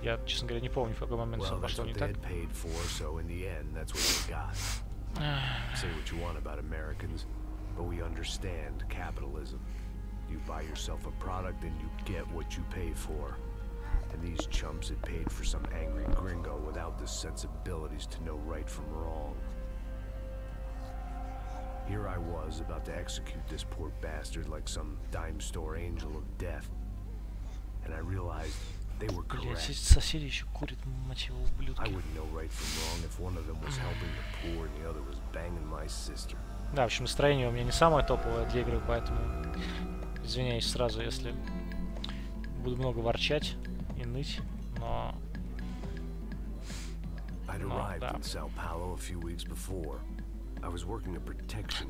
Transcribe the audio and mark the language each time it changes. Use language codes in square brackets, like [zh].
[ru] Я, честно говоря, не помню, в какой момент все пошло не так. [en] Say what you want about Americans, but we understand capitalism. You buy yourself a product and you get what you pay for. And these chumps had paid for some angry gringo without the sensibilities to know right from wrong. Here I was about to execute this poor bastard like some dime store angel of death. And I realized they were correct. [ru] Соседи еще курят, мать его, ублюдки. [en] I wouldn't know right from wrong if one of them was helping the poor and the other was banging my sister. [ru] Да, в общем, настроение у меня не самое топовое для игры, поэтому извиняюсь сразу, если буду много ворчать и ныть, но... [en] I'd arrived in Sao Paulo a few weeks before. I was working a protection.